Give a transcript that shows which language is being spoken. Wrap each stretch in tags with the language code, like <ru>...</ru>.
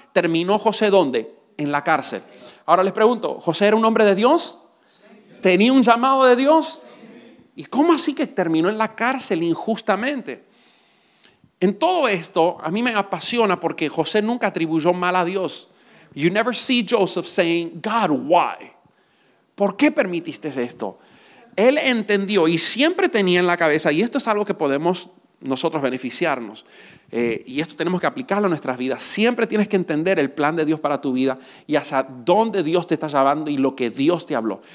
<es>¿Terminó José dónde? En la cárcel. Ahora les pregunto, ¿José era un hombre de Dios? ¿Tenía un llamado de Dios? ¿Y cómo así que terminó en la cárcel injustamente? En todo esto, a mí me apasiona porque José nunca atribuyó mal a Dios.</es> <en>You never see Joseph saying, God, why?</en> <es>¿Por qué permitiste esto? Él entendió y siempre tenía en la cabeza, y esto es algo que podemos nosotros beneficiarnos, y esto tenemos que aplicarlo a nuestras vidas. Siempre tienes que entender el plan de Dios para tu vida y hacia dónde Dios te está llevando y lo que Dios te habló.</es>